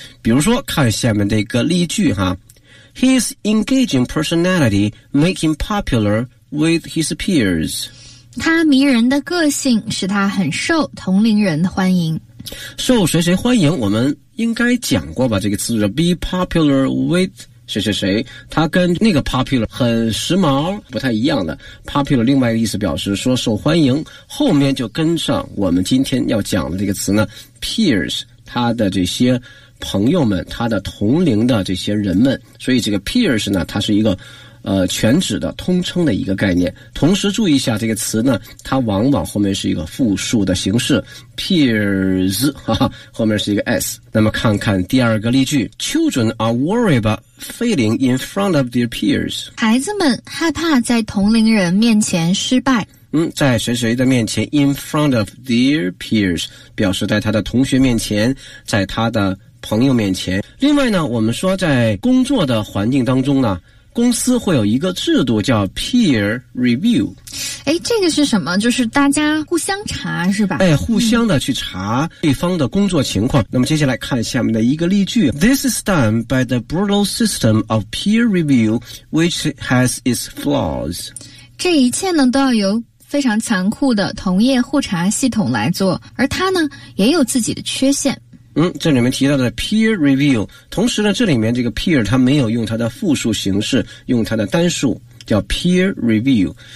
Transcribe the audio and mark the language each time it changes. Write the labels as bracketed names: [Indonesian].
[Chinese] 比如说看下面的一个例句哈， [English] His engaging personality make him popular with his peers。 [Chinese] 他迷人的个性使他很受同龄人的欢迎。受谁谁欢迎，我们应该讲过吧，这个词叫 be popular with谁谁谁，他跟那个 popular 很时髦不太一样的。 popular 另外一个意思表示说受欢迎，后面就跟上我们今天要讲的这个词呢， peers， 他的这些朋友们，他的同龄的这些人们。所以这个 peers 呢，它是一个全指的通称的一个概念。同时注意一下这个词呢，它往往后面是一个复数的形式 peers， 哈哈，后面是一个 s。那么看看第二个例句， [English] Children are worried about failing in front of their peers。 [Chinese] 孩子们害怕在同龄人面前失败。在谁谁的面前， [English] in front of their peers [Chinese] 表示在他的同学面前，在他的朋友面前。另外呢，我们说在工作的环境当中呢，公司会有一个制度叫 peer review。哎，这个是什么？就是大家互相查是吧？哎，互相的去查对方的工作情况。那么接下来看下面的一个例句， [English] This is done by the brutal system of peer review which has its flaws。 [Chinese] 这一切呢都要由非常残酷的同业互查系统来做，而它呢也有自己的缺陷。这里面提到的 peer review， 同时呢这里面这个 peer 它没有用它的复数形式，用它的单数叫 peer review。